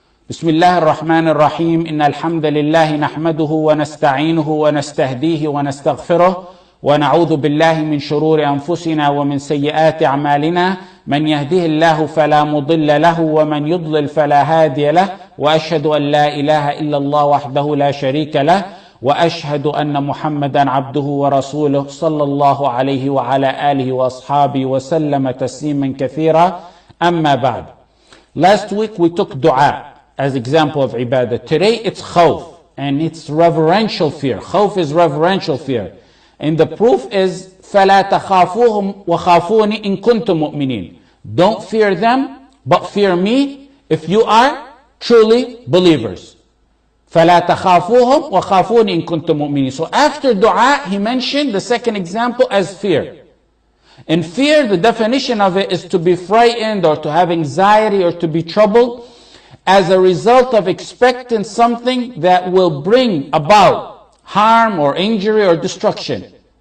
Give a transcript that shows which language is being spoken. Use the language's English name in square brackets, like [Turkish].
[Arabic] بسم الله الرحمن الرحيم إن الحمد لله نحمده ونستعينه ونستهديه ونستغفره ونعوذ بالله من شرور أنفسنا ومن سيئات أعمالنا من يهده الله فلا مضل له ومن يضلل فلا هادي له وأشهد أن لا إله إلا الله وحده لا شريك له وأشهد أن محمدا عبده ورسوله صلى الله عليه وعلى آله وأصحابه وسلم تسليما كثيرا أما بعد. [English] Last week we took dua as example of ibadah. Today it's khawf and it's reverential fear. Khawf is reverential fear. And the proof is [Arabic] فَلَا تَخَافُوهُمْ وَخَافُونِ إِن كُنْتُمْ مُؤْمِنِينَ. [English] Don't fear them, but fear me if you are truly believers. [Arabic] فَلَا تَخَافُوهُمْ وَخَافُونِ إِن كُنْتُمْ مُؤْمِنِينَ. [English] So after dua, he mentioned the second example as fear. And fear, the definition of it is to be frightened or to have anxiety or to be troubled as a result of expecting something that will bring about harm or injury or destruction.